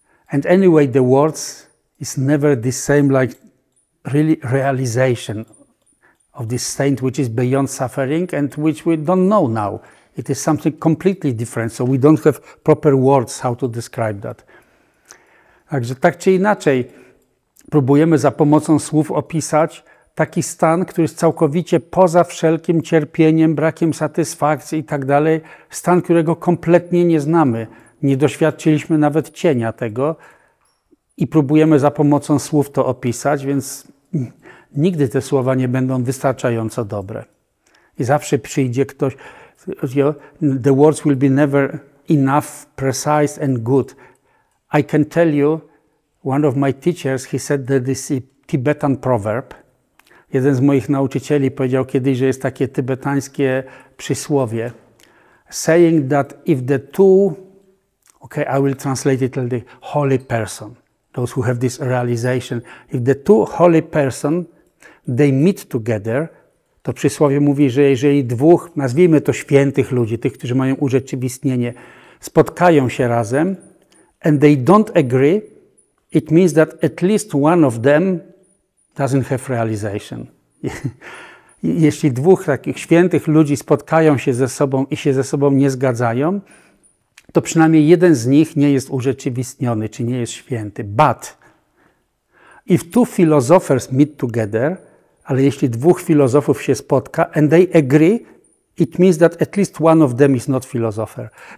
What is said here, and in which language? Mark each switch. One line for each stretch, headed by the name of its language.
English: And anyway, the words is never the same like really realization of this state which is beyond suffering and which we don't know now. It is something completely different, so we don't have proper words how to describe that.
Polish: Także tak czy inaczej, próbujemy za pomocą słów opisać taki stan, który jest całkowicie poza wszelkim cierpieniem, brakiem satysfakcji i tak dalej. Stan, którego kompletnie nie znamy. Nie doświadczyliśmy nawet cienia tego i próbujemy za pomocą słów to opisać, więc nigdy te słowa nie będą wystarczająco dobre. I zawsze przyjdzie ktoś,
English: the words will be never enough, precise and good. I can tell you, one of my teachers, he said that this is a Tibetan proverb.
Polish: Jeden z moich nauczycieli powiedział kiedyś, że jest takie tybetańskie przysłowie.
English: Saying that if the two, okay, I will translate it like the holy person, those who have this realization, if the two holy person, they meet together,
Polish: to przysłowie mówi, że jeżeli dwóch, nazwijmy to świętych ludzi, tych, którzy mają urzeczywistnienie, spotkają się razem
English: and they don't agree, it means that at least one of them doesn't have realization.
Polish: Jeśli dwóch takich świętych ludzi spotkają się ze sobą i się ze sobą nie zgadzają, to przynajmniej jeden z nich nie jest urzeczywistniony, czy nie jest święty.
English: But if two philosophers meet together,
Polish: ale jeśli dwóch filozofów się spotka
English: and they agree, it means that at least one of them is not philosopher.